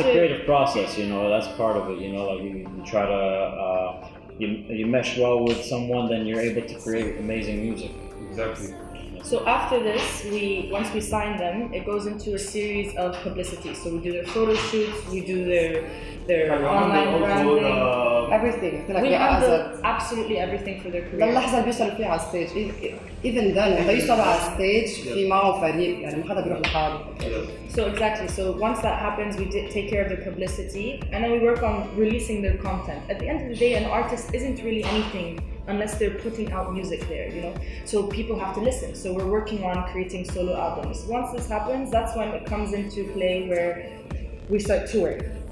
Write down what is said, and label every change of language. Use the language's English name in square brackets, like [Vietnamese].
[English] a creative process, you know, that's part of it, you know, like you try to you mesh well with someone, then you're able to create amazing music. Exactly. So after this, once we sign them, it goes into a series of publicity. So we do their photo shoots, we do their online branding, everything. We handle absolutely everything for their career. [Arabic] The لحظة اللي بيوصل فيها على stage, [English] even then, they [Arabic] يوصل على stage في معه فريق يعني ما حدا بيروح لحاله. [English] So exactly. So once that happens, we take care of the publicity, and then we work on releasing their content. At the end of the day, an artist isn't really anything unless they're putting out music there, you know? So people have to listen. So we're working on creating solo albums. Once this happens, that's when it comes into play where we start touring.